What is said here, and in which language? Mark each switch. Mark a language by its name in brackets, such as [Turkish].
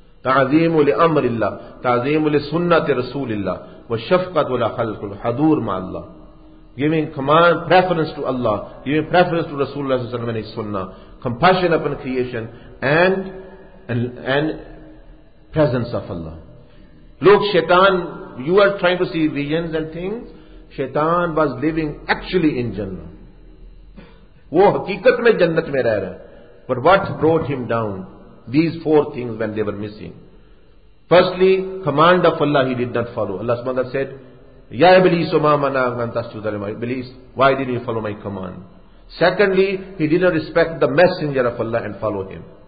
[Arabic] تعظیم لامر اللہ, تعظیم لسنت رسول اللہ, وشفقت لخلق الحضور مع اللہ, [English] giving command preference to Allah, giving preference to رسول اللہ صلی اللہ علیہ وسلم and his sunnah, compassion upon creation and presence of Allah. Look, shaitan, you are trying to see visions and things, shaitan was living actually in Jannah. [Urdu] وہ حقیقت میں جنت میں رہ رہا, [English] but what brought him down? These four things when they were missing. Firstly, command of Allah he did not follow. Allah subhanahu wa ta'ala said, [Arabic] Ya Iblis, ma manaka an tasjuda lima, [English] Iblis, why didn't you follow my command? Secondly, he did not respect the messenger of Allah and follow him.